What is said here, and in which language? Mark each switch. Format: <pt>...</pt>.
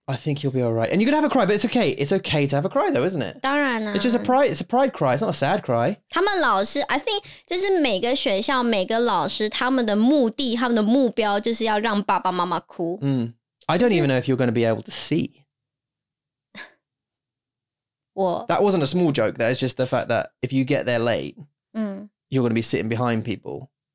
<en>I think you'll be all right. And you're going to have a cry, but it's okay. It's okay to have a cry though, isn't it?</en> <zh>当然啊。</zh> <en>It's just a pride cry, it's not a sad cry.</en> <zh>他们老师,</zh> <en>I think</en> <zh>就是每个学校,每个老师, 他们的目的, 他们的目标就是要让爸爸妈妈哭。嗯。</zh> <en>I don't even know if you're going to be able to see. That wasn't a small joke. That is just the fact that if you get there late, you're going to be sitting behind people.</en>